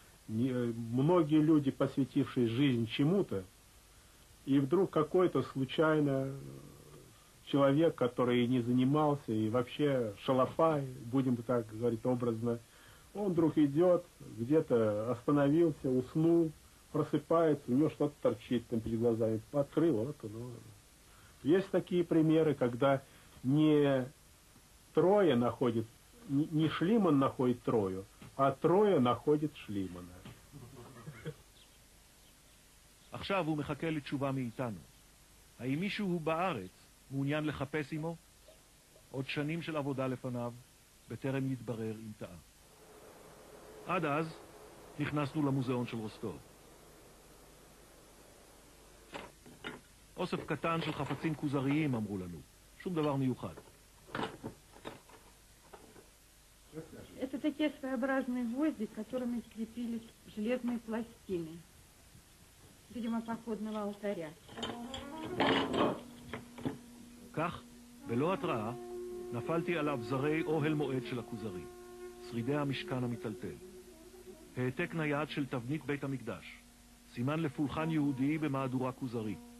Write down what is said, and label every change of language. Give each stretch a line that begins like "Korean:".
Russian: Многие люди, посвятившие жизнь чему-то, и вдруг какой-то случайно человек, который не занимался, и вообще шалопай, будем так говорить образно, он вдруг идет, где-то остановился, уснул, просыпается, у него что-то торчит там перед глазами, открыл, вот оно. Есть такие примеры, когда не трое находит, не Шлиман находит трою, а трое находит Шлимана.
Hebrew: עכשיו הוא מחכה לתשובה מאיתנו. האם מישהו בארץ מעוניין לחפש עמו? עוד שנים של עבודה לפניו, בטרם יתברר אם טעה. עד אז, נכנסנו למוזיאון של רוסטוב. אוסף קטן של חפצים כוזריים, אמרו לנו. שום דבר מיוחד.
Russian: Это такие своеобразные гвозди, которыми крепились железные пластины, видимо, походного алтаря.
Hebrew: כך, בלא התראה, נפלתי עליו זרי אוהל מועד של הכוזרים, שרידי המשכן המטלטל. העתק נייד של תבנית בית המקדש, סימן לפולחן יהודי במהדורה כוזרי.